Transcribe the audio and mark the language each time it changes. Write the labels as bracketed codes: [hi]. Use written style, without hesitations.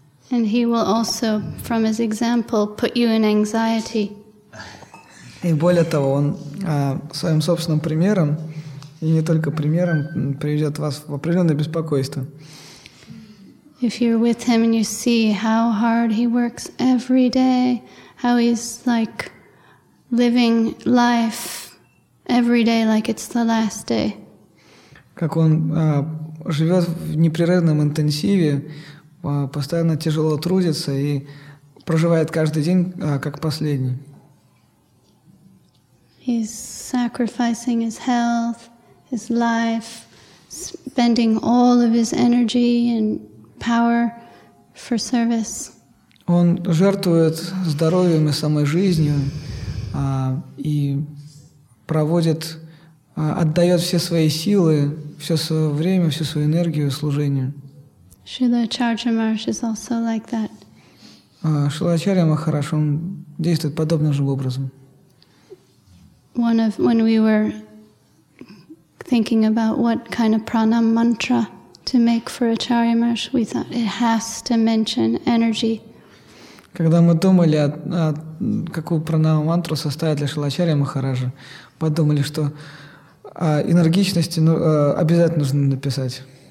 [en] And he will also, from his example, put you in anxiety. [ru] И более того, он своим собственным примером, и не только примером, приведет вас в определенное беспокойство. [en] If you're with him and you see how hard he works every day, how he's like living life every day like it's the last day. [ru] Как он живет в непрерывном интенсиве, постоянно тяжело трудится и проживает каждый день как последний. [en] He's sacrificing his health, his life, spending all of his energy and power for service. [ru] Он жертвует здоровьем и самой жизнью, и проводит, отдает все свои силы, все свое время, всю свою энергию служению. [en] Srila Charja Maharaj is also like that. [ru] Шрила Ачарья Махарадж, он действует подобным же образом. [en] When we were thinking about what kind of prana mantra to make for Acharya Maharaj, we thought it has to mention energy. [ru] Когда мы думали, какую пранаму мантру составить для Шрила Ачарья Махараджа, подумали, что о энергичности обязательно нужно написать.